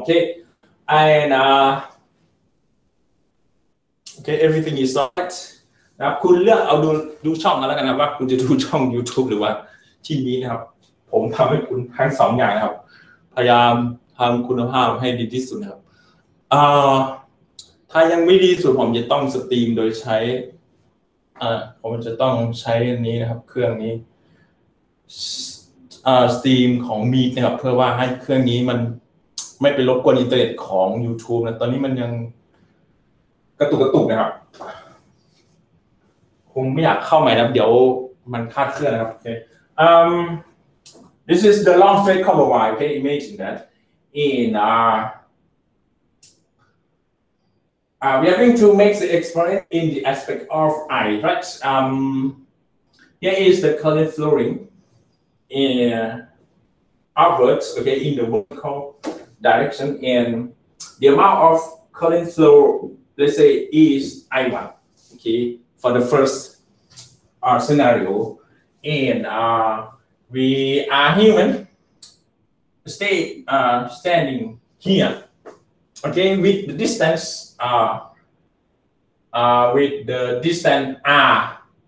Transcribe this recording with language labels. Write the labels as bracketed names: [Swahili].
[English] Okay, and everything is right. [Thai] Now, คุณเลือกเอาดูช่องแล้วกันนะว่าคุณจะดูช่อง YouTube หรือว่าที่นี้นะครับผมทำให้คุณทั้งสองอย่างนะครับพยายามทำคุณภาพให้ดีที่สุดนะครับถ้ายังไม่ดีสุดผมจะต้องสตรีมโดยใช้ผมจะต้องใช้อันนี้นะครับเครื่องนี้ สตรีมของ Meet นะครับเพื่อว่าให้เครื่องนี้มันไม่ไปรบกวนอินเทอร์เน็ตของ YouTube นะตอนนี้มันยังกระตุกนะครับคงไม่อยากเข้าใหม่นะเดี๋ยวมันคาดเคลื่อนนะครับโอเค [English] This is the long straight copper wire. Okay, imagine that. And we are going to make the experiment in the aspect of I, right? Here is the current flowing in upwards, okay, in the vertical direction, and the amount of current flow, let's say, is I1, okay, for the first scenario, and we are human, stay standing here, okay, with the distance with the distance r